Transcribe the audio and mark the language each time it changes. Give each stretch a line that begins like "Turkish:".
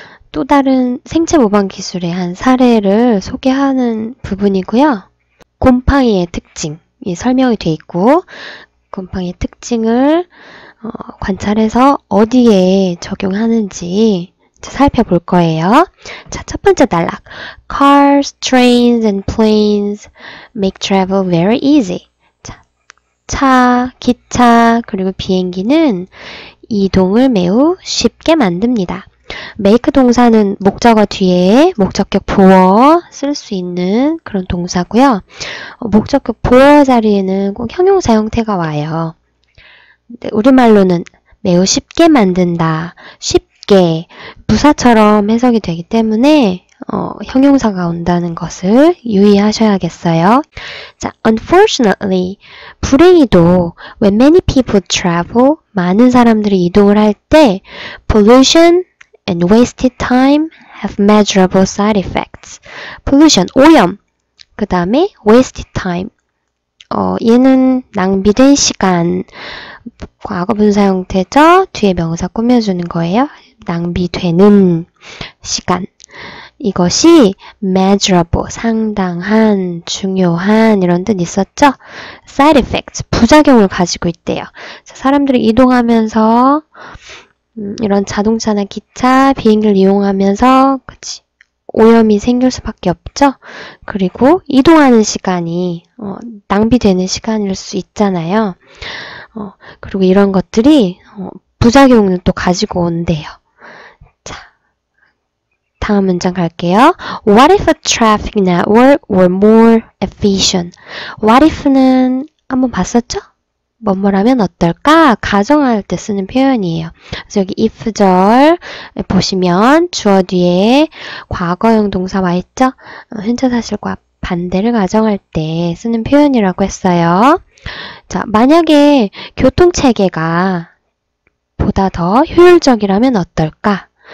Korean: 또 다른 생체 모방 기술의 한 사례를 소개하는 부분이고요. 곰팡이의 특징이 설명이 돼 있고, 곰팡이의 특징을 관찰해서 어디에 적용하는지 살펴볼 거예요. 자, 첫 번째 단락.
English: Cars, trains, and planes make travel very easy.
Korean: 자, 차, 기차, 그리고 비행기는 이동을 매우 쉽게 만듭니다. make 동사는 목적어 뒤에 목적격 보어 쓸수 있는 그런 동사고요. 목적격 보어 자리에는 꼭 형용사 형태가 와요. 근데 우리말로는 매우 쉽게 만든다. 쉽게 부사처럼 해석이 되기 때문에 형용사가 온다는 것을 유의하셔야겠어요. 자,
English: unfortunately,
Korean: 불행히도
English: when many people travel,
Korean: 많은 사람들이 이동을 할때
English: pollution and wasted time have measurable side effects.
Korean: pollution, 오염. 그 다음에
English: wasted time.
Korean: 얘는 낭비된 시간. 과거분사 형태죠? 뒤에 명사 꾸며주는 거예요. 낭비되는 시간. 이것이 measurable, 상당한, 중요한, 이런 뜻 있었죠? side effects, 부작용을 가지고 있대요. 사람들이 이동하면서 이런 자동차나 기차, 비행기를 이용하면서, 그치, 오염이 생길 수밖에 없죠? 그리고 이동하는 시간이, 낭비되는 시간일 수 있잖아요. 그리고 이런 것들이, 부작용을 또 가지고 온대요. 다음 문장 갈게요.
English: What if a traffic network were more efficient?
Korean: What if는 한번 봤었죠? 뭐뭐라면 어떨까? 가정할 때 쓰는 표현이에요. 그래서 여기 if절 보시면 주어 뒤에 과거형 동사 와 있죠? 현재 사실과 반대를 가정할 때 쓰는 표현이라고 했어요. 자, 만약에 교통체계가 보다 더 효율적이라면 어떨까?